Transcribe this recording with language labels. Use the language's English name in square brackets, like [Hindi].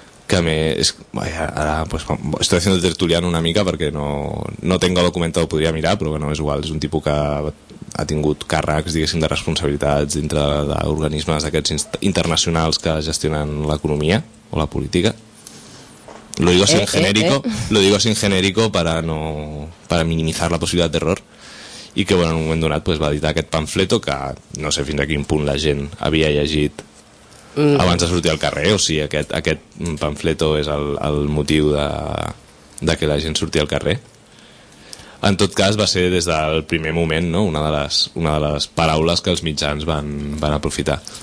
[Catalan] Que a més, ara [Spanish] pues, estoy haciendo el tertuliano [Catalan] una mica perquè [Spanish] no tengo documentado, [Catalan] podria mirar, però bueno, és igual, és un tipus que ha tingut càrrecs, diguéssim, de responsabilitats dintre d'organismes d'aquests internacionals que gestionen l'economia o la política. [Spanish] Lo digo así en genérico, lo digo así en genérico para minimizar [Catalan] la possibilitat d'error. I que bueno, en un moment donat pues, va editar aquest pamfleto que no sé fins a quin punt la gent havia llegit abans de sortir al carrer, o sigui, aquest pamfleto és el motiu de que la gent surti al carrer. En tot cas, va ser des del primer moment, no? una de les paraules que els mitjans van aprofitar.